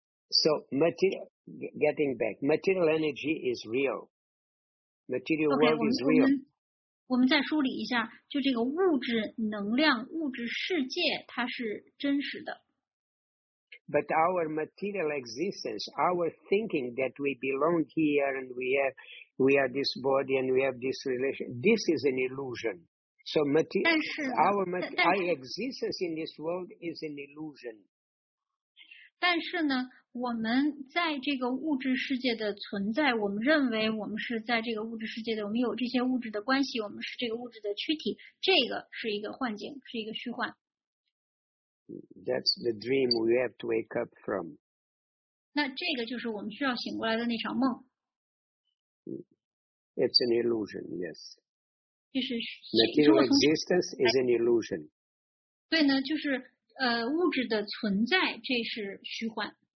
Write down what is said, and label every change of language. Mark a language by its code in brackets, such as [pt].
[en] So material, getting back, material energy is real. Material world is real. [zh] Okay, 我们再梳理一下，就这个物质能量、物质世界，它是真实的。 [en] But our material existence, our thinking that we belong here and we are this body and we have this relation, this is an illusion. So our existence in this world is an illusion. [zh] 但是呢，我们在这个物质世界的存在，我们认为我们是在这个物质世界的，我们有这些物质的关系，我们是这个物质的躯体，这个是一个幻境，是一个虚幻。 [en] That's the dream we have to wake up from. [zh] 那这个就是我们需要醒过来的那场梦。 [en] It's an illusion, yes. [zh] 就是 [en] material existence is an illusion. [zh] 对呢，就是物质的存在，这是虚幻。